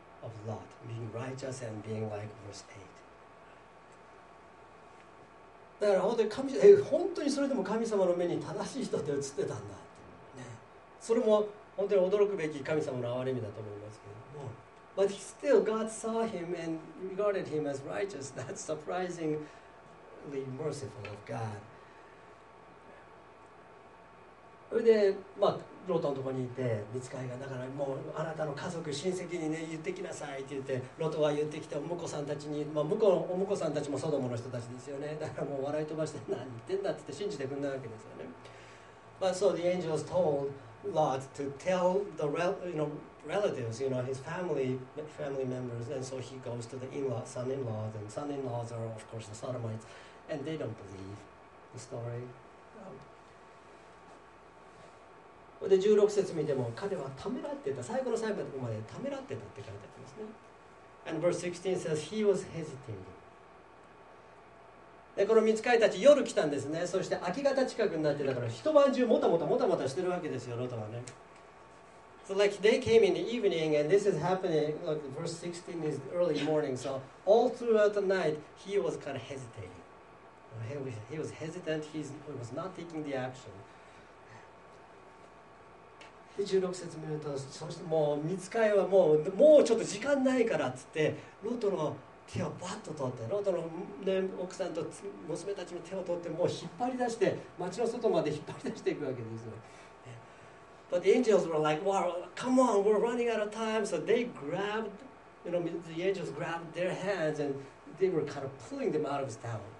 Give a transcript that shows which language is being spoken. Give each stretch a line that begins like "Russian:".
English: Of Lot being righteous and being like verse 8.
Japanese: だから本当に神、本当にそれでも神様の目に正しい人って映ってたんだって、ね、それも本当に驚くべき神様の憐れみだと思いますけど。
English: But still, God saw him and regarded him as righteous. That's surprisingly merciful of God.
Japanese: それでまあ。ロトのところにいて、見つかりが、だからもうあなたの家族、親戚にね、言ってきなさいって言って、ロトは言ってきて、お婿さんたちに、まあ、向こうのお婿さんたちもソドモの人たちですよね。だからもう笑い飛ばして、何言ってんだって言って信じてくれないわけですよね。
English: But so the angels told Lot to tell the relatives, you know, his family members, and so he goes to the in-laws, son-in-laws, and son-in-laws are of course the Sodomites, and they don't believe the story.
Japanese: で16節見ても彼はためらってた、最後の最後のところまでためらってたって書いてありますね。
English: And verse 16 says he was hesitating.
Japanese: でこの御使いたち夜来たんですね。そして明け方近くになってたから一晩中もたもたしてるわけですよ、ロトはね。
English: So like they came in the evening and this is happening, look, verse 16 is early morning, so all throughout the night he was kind of hesitating. He was hesitant, he was not taking the action.
Japanese: で16節見ると、そしてもう見つかりはもうちょっと時間ないからっつって、ロトの手をバッと取って、ロトの、ね、奥さんと娘たちの手を取って、もう引っ張り出して町の外まで引っ張り出していくわけですよ。
English: But the angels were like, wow, come on, we're running out of time. So they grabbed, you know, the angels grabbed their hands and they were kind of pulling them out of town.